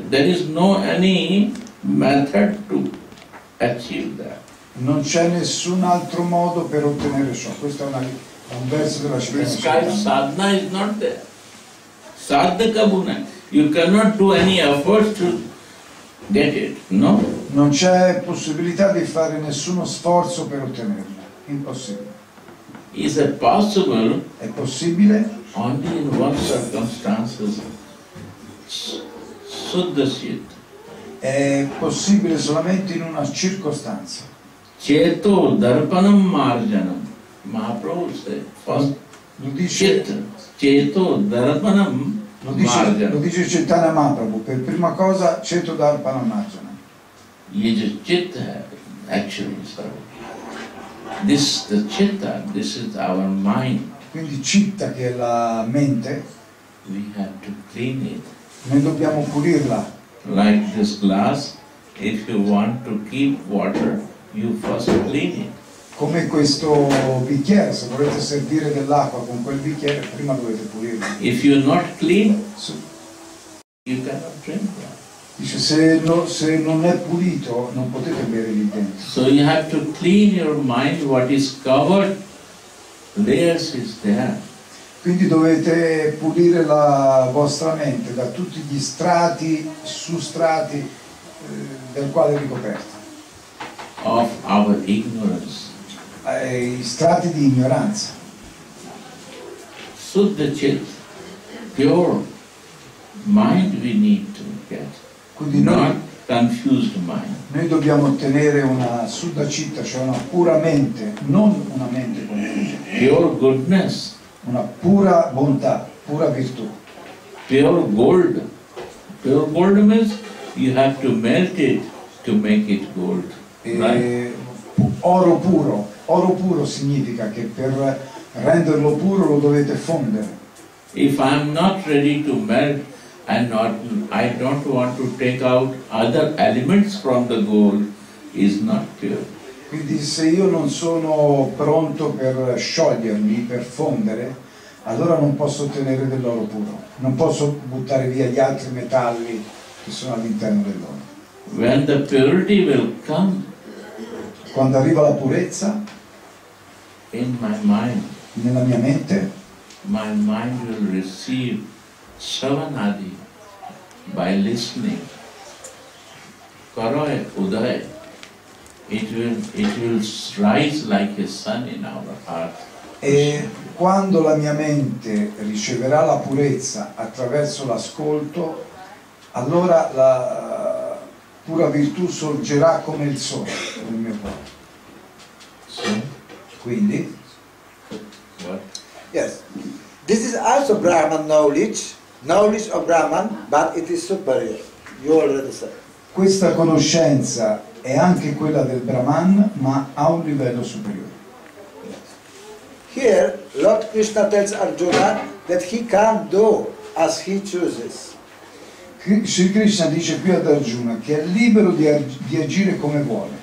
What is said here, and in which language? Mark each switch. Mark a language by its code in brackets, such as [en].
[en] There is no any method to achieve that. [it] Non c'è nessun altro modo per ottenere ciò. Questo è un verso della scienza. [en] Sadhana is not there. Sadhu Kavuna. You cannot do any effort to get it, no? [it] Non c'è possibilità di fare nessuno sforzo per ottenerlo. Impossibile. [en] Is it possible? [it] È possibile? [en] Only in one circumstances. Suddhasit. [it] È possibile solamente in una circostanza. [sa] Ceto darpanam marjanam. [en] Mahaprabhu said, first, [it] lo dice, [sa] ceto darpanam marjanam. [it] Lo dice Chaitanya Mahaprabhu, per prima cosa, [sa] ceto darpanam marjanam. [hi] Yeh jo chit hai, actually, sarva. [en] This the citta, this is our mind. [it] Quindi citta che è la mente. [en] We have to clean it. [it] Noi dobbiamo pulirla. [en] Like this glass, if you want to keep water, you first clean it. [it] Come questo bicchiere, se volete servire dell'acqua con quel bicchiere, prima dovete pulirlo. [en] If you're not clean, so, you cannot drink that. [it] Dice, se non è pulito, non potete bere lì dentro. [en] So you have to clean your mind, what is covered, layers is there. [it] Quindi dovete pulire la vostra mente da tutti gli strati, substrati del quale è ricoperta. [en] Of our ignorance. [it] I strati di ignoranza. [en] Shuddha chit, pure mind we need to get. [it] Quindi noi, [en] not confused mind. [it] Noi dobbiamo ottenere una shuddha chitta, cioè una pura mente, non una mente confusa. [en] Pure goodness. [it] Una pura bontà, pura virtù. [en] Pure gold. Pure gold means you have to melt it to make it gold. Right? [it] Oro puro. Oro puro significa che per renderlo puro lo dovete fondere. [en] If I'm not ready to melt and not I don't want to take out other elements from the gold, is not pure. [it] Quindi se io non sono pronto per sciogliermi, per fondere, allora non posso ottenere dell'oro puro. Non posso buttare via gli altri metalli che sono all'interno dell'oro. [en] When the purity will come, [it] quando arriva la purezza, [en] in my mind, [it] nella mia mente, [en] my mind will receive shravanadi by listening. [sa] Karoye udaye. [en] It will rise like a sun in our heart. [it] E quando la mia mente riceverà la purezza attraverso l'ascolto, allora la pura virtù sorgerà come il sole nel mio cuore. [en] So, [it] quindi? [en] What? Yes. This is also Brahman knowledge, knowledge of Brahman, but it is superior. You already said. [it] Questa conoscenza è anche quella del Brahman, ma a un livello superiore. [en] Here, Lord Krishna tells Arjuna that he can do as he chooses. [it] Sri Krishna dice qui ad Arjuna che è libero di agire come vuole.